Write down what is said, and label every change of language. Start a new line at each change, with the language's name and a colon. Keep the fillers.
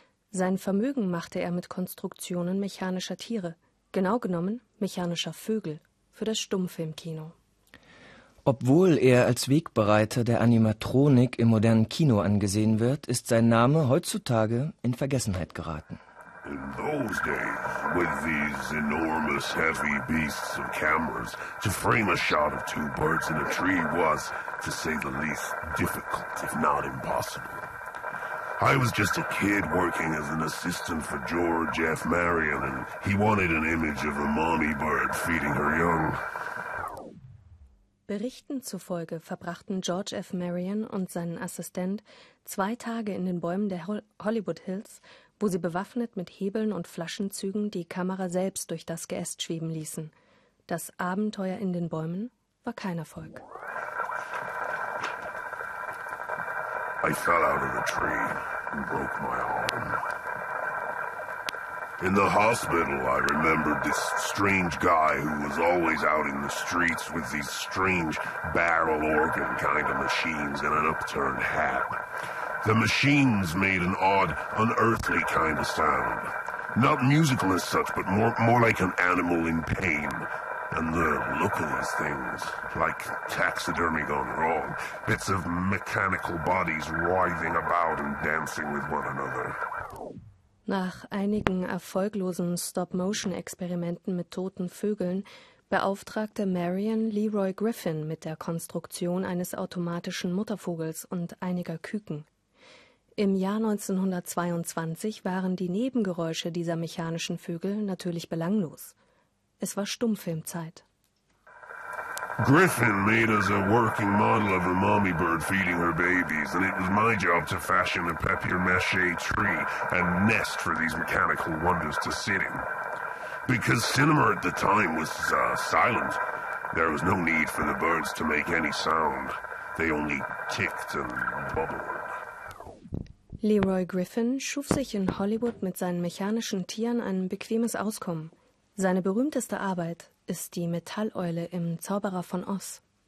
German: Sein Vermögen machte er mit Konstruktionen mechanischer Tiere, genau genommen mechanischer Vögel, für das Stummfilmkino. Obwohl er als Wegbereiter der Animatronik im modernen Kino angesehen wird, ist sein Name heutzutage in Vergessenheit geraten.
English: In those days, with these enormous heavy beasts of cameras, to frame a shot of two birds in a tree was, to say the least, difficult, if not impossible. I was just a kid working as an assistant for George F. Marion, and he wanted an image of a mommy bird feeding her young.
German: Berichten zufolge verbrachten George F. Marion und seinen Assistent zwei Tage in den Bäumen der Hol Hollywood Hills, wo sie bewaffnet mit Hebeln und Flaschenzügen die Kamera selbst durch das Geäst schweben ließen. Das Abenteuer in den Bäumen war kein Erfolg.
English: I fell out of the tree and broke my arm. In the hospital, I remembered this strange guy who was always out in the streets with these strange barrel organ kind of machines and an upturned hat. The machines made an odd, unearthly kind of sound. Not musical as such, but more, more like an animal in pain. And the look of these things, like taxidermy gone wrong, bits of mechanical bodies writhing about and dancing with one another.
German: Nach einigen erfolglosen Stop-Motion-Experimenten mit toten Vögeln beauftragte Marion Leroy Griffin mit der Konstruktion eines automatischen Muttervogels und einiger Küken. Im Jahr 1922 waren die Nebengeräusche dieser mechanischen Vögel natürlich belanglos. Es war Stummfilmzeit.
English: Griffin made us a working model of a mommy bird feeding her babies, and it was my job to fashion a papier mache tree and nest for these mechanical wonders to sit in. Because cinema at the time was uh, silent, there was no need for the birds to make any sound. They only ticked and bubbled.
German: Leroy Griffin schuf sich in Hollywood mit seinen mechanischen Tieren ein bequemes Auskommen. Seine berühmteste Arbeit ist die Metalleule im Zauberer von Oz.